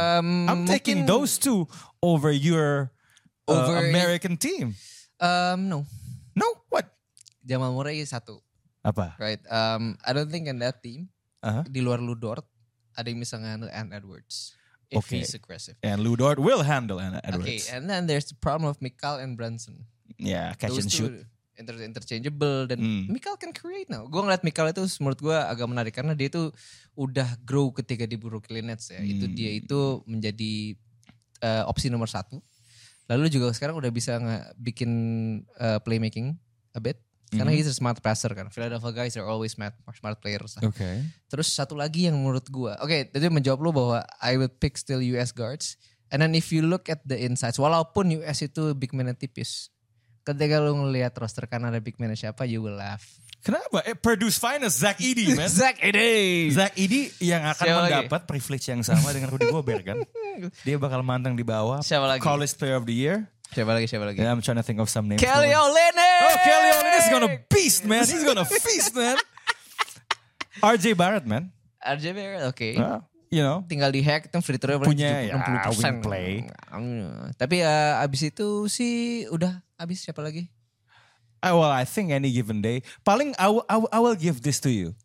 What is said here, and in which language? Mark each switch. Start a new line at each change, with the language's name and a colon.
English: I'm taking those two over your American team. No. What?
Indonesian: Jamal Murray satu. Apa?
English: Right. I don't think in that team.
Indonesian: Di luar Lu Dort ada yang bisa handle Ant Edwards.
English: He's aggressive. And Lu Dort will handle Ant Edwards. Okay, and then there's the problem of Mikal and Brunson. Yeah, catch those and shoot. Interchangeable
Indonesian: dan
English: Mikal can create now.
Indonesian: Gue ngeliat Mikal itu menurut gue agak menarik karena dia itu udah grow ketika di Brooklyn Nets ya. Itu dia itu menjadi opsi nomor satu. Lalu juga sekarang udah bisa bikin playmaking
English: a bit.
Indonesian: Karena
English: he's a smart passer kan. Philadelphia guys are always smart players.
Indonesian: Oke. Okay. Terus satu lagi yang menurut gue. Oke, okay, jadi menjawab lu bahwa
English: I will pick still US guards. And then if you look at the insides,
Indonesian: walaupun US itu big man tipis. Ketika lu ngeliat roster Kanada big man siapa,
English: you will laugh. Kenapa? Purdue's finest, Zach Edey, man. Zach Edey
Indonesian: yang akan siapa mendapat lagi? Privilege yang sama dengan Rudy Gobert, kan? Dia bakal mantang di bawah. Siapa lagi?
English: College Player of the Year.
Indonesian: Siapa lagi?
English: And I'm trying to think of some names. Kelly Olynyk! Oh, Kelly Olynyk is gonna beast, man. He's gonna feast, man. RJ Barrett, man. RJ Barrett, oke. Okay. You know,
Indonesian: tinggal di hack itu free throw punya 70%. Ya, wing play. Tapi abis itu sih udah abis siapa lagi?
English: Well, I think any given day.
Indonesian: Paling
English: I will give this to you.